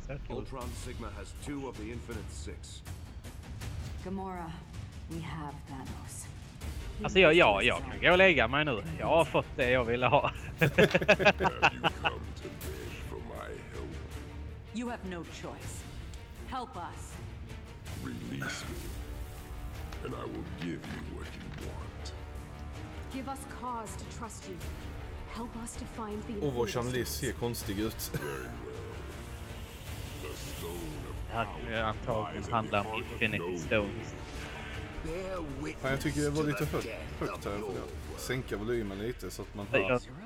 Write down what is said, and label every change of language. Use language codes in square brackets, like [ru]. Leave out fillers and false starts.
[en] Ultron Sigma has two of the Infinite Six. Gamora, we have Thanos. [sv] Alltså jag kan gå och lägga mig nu. Jag har fått det jag ville ha. [en] You have no choice. Help us. Release me. And I will give you what you want. Give us cause to trust you. Help us to find the. [sv] Och vår Chanlis ser konstig ut. [en] The stone [sv] handlar om Infinity Stones. Fan, jag tycker det var lite högt här. Sänka volymen lite så att man hör.